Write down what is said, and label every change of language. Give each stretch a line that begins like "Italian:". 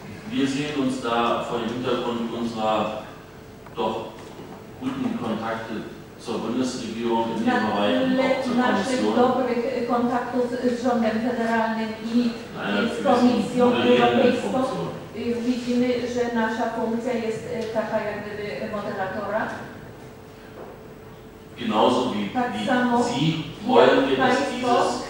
German: Wir sehen uns da vor dem Hintergrund unserer doch guten Kontakte zur Bundesregierung in dem Bereich.
Polish: Naszych dobrych kontaktów z rządem federalnym i z Komisją Europejską. Widzimy, że nasza funkcja jest taka jak gdyby moderatora.
German: Genauso wie,
Polish: tak
German: wie
Polish: samo
German: Sie wollen wir, dass dieses